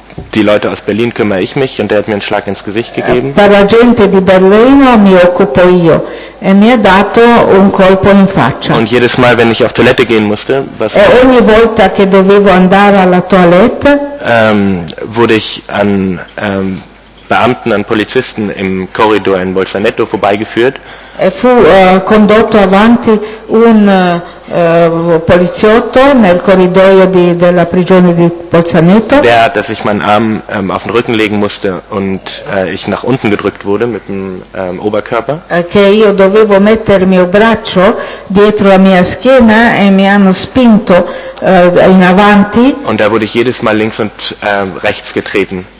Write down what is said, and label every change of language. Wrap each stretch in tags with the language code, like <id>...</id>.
<de>Die Leute aus Berlin kümmere ich mich und der hat mir einen Schlag ins Gesicht gegeben.</de> <it>Per la gente di Berlino mi occupo io. E mi ha dato un colpo in faccia.</it> <de>Und jedes Mal, wenn ich auf Toilette gehen musste, was</de> <it>e ogni volta che dovevo andare alla toilette,</it> <de>wurde ich an Beamten, an Polizisten im Korridor in Bolzaneto vorbeigeführt.</de> <it>E fu condotto avanti un poliziotto nel corridoio della prigione di Bolzaneto.</it> <de>Der, dass ich meinen Arm auf den Rücken legen musste und ich nach unten gedrückt wurde mit dem Oberkörper.</de> <it>Che io dovevo mettere il mio braccio dietro la mia schiena e mi hanno spinto in avanti.</it> <de>Und da wurde ich jedes Mal links und rechts getreten.</de>